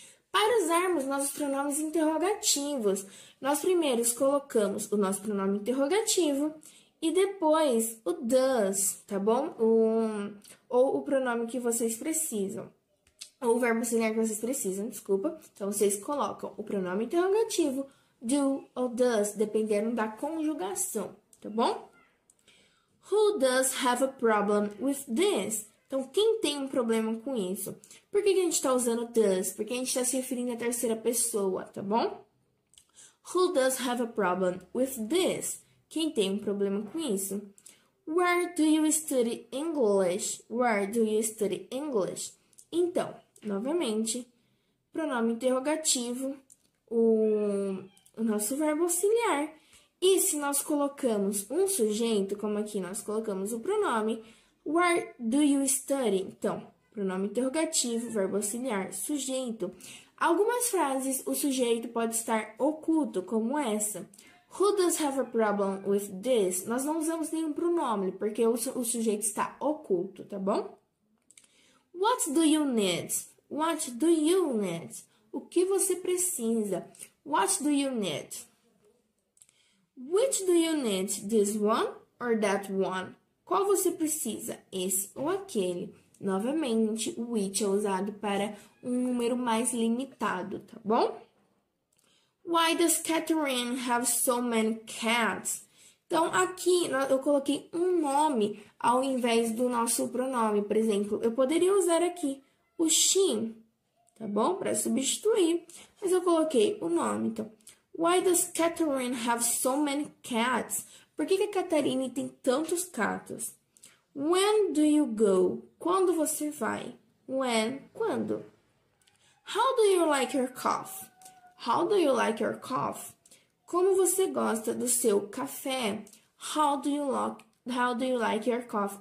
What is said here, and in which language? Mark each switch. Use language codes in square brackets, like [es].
[pt] Para usarmos nossos pronomes interrogativos, nós primeiros colocamos o nosso pronome interrogativo e depois o does, tá bom? Ou o pronome que vocês precisam. Ou o verbo auxiliar que vocês precisam, desculpa. Então, vocês colocam o pronome interrogativo, do ou does, dependendo da conjugação, tá bom? [en] Who does have a problem with this? [pt] Então, quem tem um problema com isso? Por que que a gente está usando does? Porque a gente está se referindo à terceira pessoa, tá bom? [en] Who does have a problem with this? [pt] Quem tem um problema com isso? [en] Where do you study English? Where do you study English? [pt] Então, novamente, pronome interrogativo, o nosso verbo auxiliar. E se nós colocamos um sujeito, como aqui nós colocamos o pronome, [en] where do you study? [pt] Então, pronome interrogativo, verbo auxiliar, sujeito. Algumas frases o sujeito pode estar oculto, como essa. Who does have a problem with this? Nós não usamos nenhum pronome, porque o sujeito está oculto, tá bom? [en] What do you need? What do you need? [pt] O que você precisa? [en] What do you need? Which do you need? This one or that one? [pt] Qual você precisa? Esse ou aquele? Novamente, o which é usado para um número mais limitado, tá bom? [en] Why does Catherine have so many cats? [pt] Então, aqui eu coloquei um nome ao invés do nosso pronome. Por exemplo, eu poderia usar aqui o she, tá bom? Para substituir, mas eu coloquei o nome. Então, [en] why does Catherine have so many cats? [pt] Por que a Catherine tem tantos gatos? [en] When do you go? [pt] Quando você vai? [en] When? [pt] Quando? [en] How do you like your cough? How do you like your cough? [pt] Como você gosta do seu café? [en] How do you like your cough?